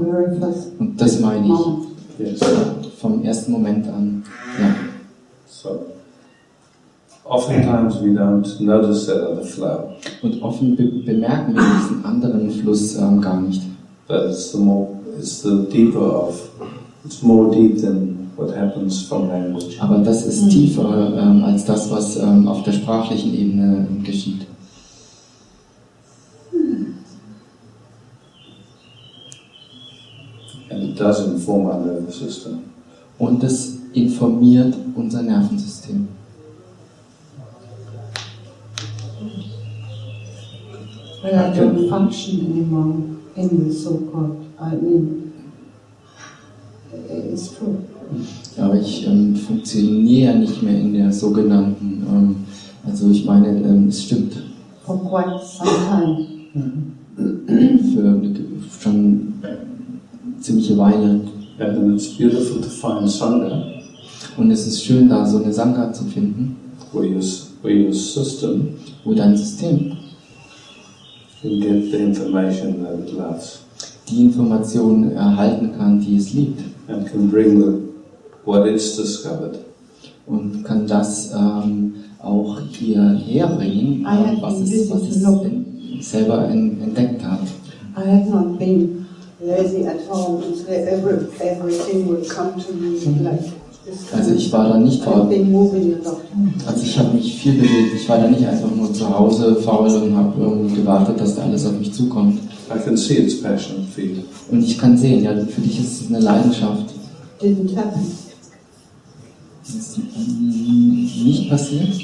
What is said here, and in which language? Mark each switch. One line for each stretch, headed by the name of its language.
English: The very first.
German: Und das meine ich.
English: Yes.
German: Vom ersten Moment an. Ja.
English: So. Oftentimes we don't notice that other flow.
German: Und oft bemerken wir diesen anderen Fluss gar nicht.
English: But it's the deeper of. It's more deep than what happens from language.
German: Aber das ist tiefer als das, was auf der sprachlichen Ebene geschieht.
English: And it does inform our nervous system.
German: Und es informiert unser Nervensystem.
English: Well, I don't function anymore in the so-called, I mean, it's true.
German: Aber ich funktioniere nicht mehr in der sogenannten, also ich meine, es stimmt.
English: For quite some time.
German: Schon ziemliche Weile.
English: And it's beautiful to find Sangha.
German: Und es ist schön, da so eine Sangha zu finden.
English: Where your system.
German: Wo dein System.
English: And get the information that it loves.
German: Die Information erhalten kann, die es liebt.
English: And can bring the what it's discovered.
German: Und kann das auch hierher bringen, was es selber entdeckt hat.
English: I have not been lazy at home, and everything would come to me like.
German: Also ich war da nicht faul. Also ich habe mich viel bewegt. Ich war da nicht einfach nur zu Hause faul und habe irgendwie gewartet, dass da alles auf mich zukommt.
English: I can see it's passion for you.
German: Und ich kann sehen, ja, für dich ist es eine Leidenschaft.
English: Didn't happen.
German: Nicht passiert.